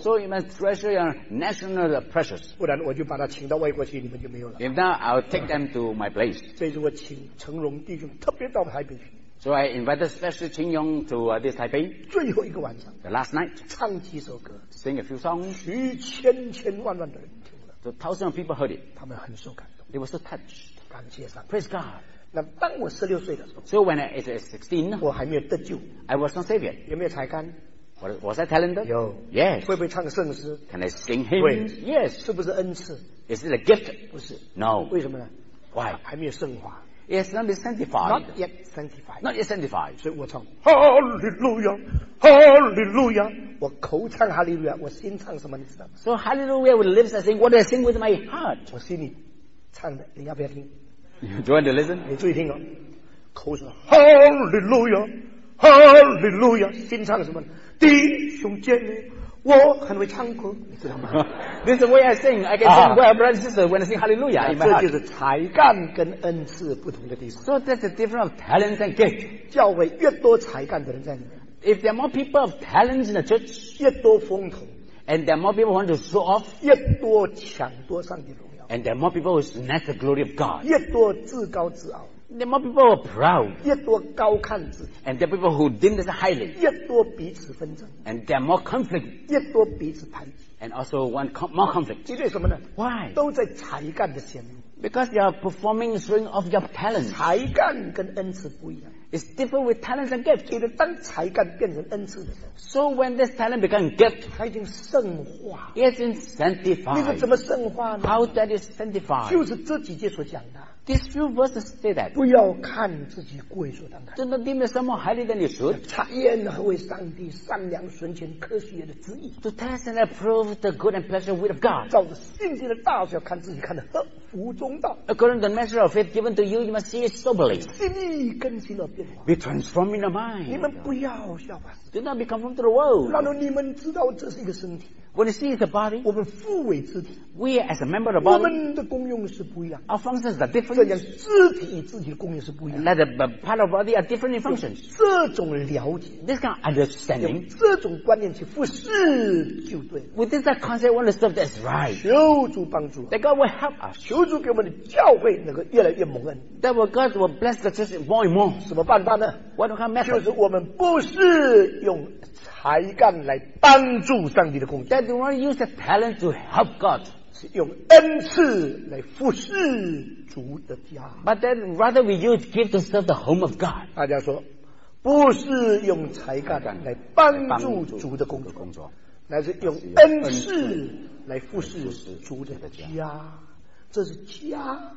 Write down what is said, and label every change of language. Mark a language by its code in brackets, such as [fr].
[en] So you must treasure your national precious. [zh] 不然我就把他请到外国去, 你们就没有了。 [en] If not, I will take them to my place. [zh] 所以我请成龙弟兄特别到台北去。 [en] So I invited special Qin Yong to this Taipei. [zh] 最后一个晚上, [en] the last night. [zh] 唱几首歌, [en] sing a few songs. [zh] 千千万万的人听了, [en] so thousands of people heard it. [zh] 他们很受感动, [en] they were so touched. [zh] 感谢上帝, [en] praise God. [zh] 那当我16岁的时候, [en] so when I was 16, [zh] 我还没有得救, [en] I was not saved yet. [zh] 有没有才干? [en] Was I talented? [zh] 有, [en] yes. [zh] 会不会唱圣诗? [en] Can I sing hymns? [zh] 会, [en] yes. [zh] 是不是恩赐? [en] Is it a gift? [zh] 不是, [en] no. [zh] 为什么呢? [en] Why? [zh] 还没有圣化, [en] it has not been sanctified. Not yet sanctified. Not yet sanctified. [zh] 所以我唱, Hallelujah, Hallelujah. 我口唱 Hallelujah, 我心唱什么你知道吗? [en] So Hallelujah with lips, I sing. What do I sing with my heart? [zh] 我心里唱的, 你要不要听? [en] You want to listen? [zh] 你注意听哦, 口说, Hallelujah, Hallelujah. 心唱什么? 弟兄姐妹, 我很会唱歌, 你知道吗? [en] This is the way I sing. I can sing well, brother and sister, when I sing Hallelujah in my heart. [zh] 这就是才干跟恩赐不同的地方。 [en] So that's the difference of talents and gifts. [zh] 教会越多才干的人在里面, [en] if there are more people of talents in the church, [zh] 越多风头, [en] and there are more people who want to show off, [zh] 越多抢夺上帝荣耀, [en] and there are more people who snatch the glory of God, [zh] 越多自高自傲, [en] the more people are proud, [zh] 越多高看自, [en] and there are people who deem this highly, [zh] 越多彼此纷争, [en] and there are more conflict, [zh] 越多彼此排挤, [en] and also want more conflict. [zh] 因为什么呢? [en] Why? [zh] 都在才干的前面, [en] because you are performing, showing off your talent. [zh] 才干跟恩赐不一样, [en] it's different with talents and gifts. [zh] 因为当才干变成恩赐的时候, [en] so when this talent becomes gift, [zh] 它已经圣化, [en] it's been sanctified. [zh] 那个怎么圣化呢? [en] How that is sanctified? [zh] 就是这几节所讲的, [en] these few verses say that. [zh] 不要看自己贵所当看, [en] do not deem yourself more highly than you should. [zh] 察验何为上帝, 善良纯全, 科学的旨意, [en] to test and approve the good and pleasure will of God. [zh] 照着信心的大小, 看自己看得合乎中道, [en] according to the measure of faith given to you, you must see it soberly. [zh] 心意更新了变化, [en] be transformed in the mind. [zh] 你们不要效法, [en] do not be conformed to the world. [zh] 然后你们知道这是一个身体, [en] when you see the body, [zh] 我们父为肢体, [en] we as a member of the body, [zh] 我们的功用是不一样, [en] our functions are different. [zh] 这样肢体与肢体的功用是不一样, [en] let the part of body are different in functions. [zh] 这种了解, [en] this kind of understanding, [zh] 这种观念去服侍就对, [en] with this concept, one of the stuff that's right. [zh] 求主帮助, [en] that God will help us. [zh] 求主给我们的教会那个越来越蒙恩, [en] that God will bless the church more and more. [zh] 什么办法呢? [en] What kind of method? [zh] 就是我们不是用才干来帮助上帝的工作, [en] that we want to use the talent to help God, [zh] 是用恩赐来服侍主的家, [en] but then rather we use gift to serve the home of God. [zh] 大家说, 不是用才干来帮助主的工作, 乃是用恩赐来服侍主的家, 这是家,